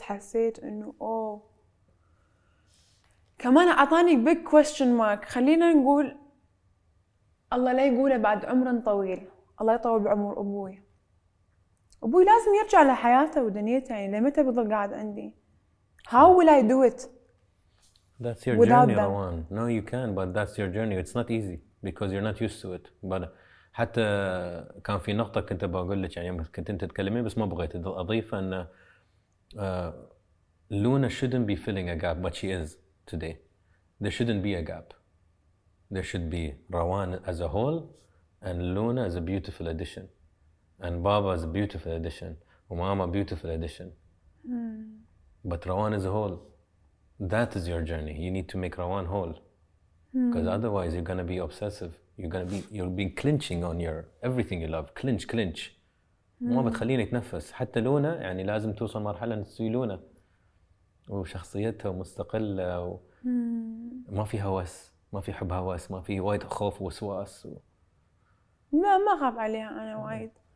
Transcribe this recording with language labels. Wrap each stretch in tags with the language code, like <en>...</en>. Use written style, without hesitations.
<ar>حسيت إنه كمان أعطاني</ar> <en>big question mark.</en> <ar>خلينا نقول الله لا يقوله بعد عمر طويل، الله يطول بعمر أبوي. أبوي لازم يرجع لحياته ودنيته، يعني لمتى بيضل قاعد عندي؟</ar> <en>How will I do it? That's your journey, Rowan. No, you can, but that's your journey. It's not easy because you're not used to it. But</en> <ar>حتى كان في نقطة كنت بقول لك، يعني كنت أنت تكلمين بس ما بغيت أضيف، أن</ar> <en>Luna shouldn't be filling a gap, but she is today. There shouldn't be a gap. There should be Rowan as a whole and Luna as a beautiful addition. And Baba is a beautiful addition. Mama, beautiful addition. But Rowan is whole. That is your journey. You need to make Rowan whole. Because otherwise, you're going to be obsessive. you're being clinching on your everything you love. Clinch.</en> <ar>ما بتخليني اتنفس حتى لونا يعني لازم توصل مرحلة تسوي لونا وشخصيتها مستقلة وما في هوس ما في حب هوس ما في وايد خوف وسواس لا ما خاف عليها أنا وايد</ar>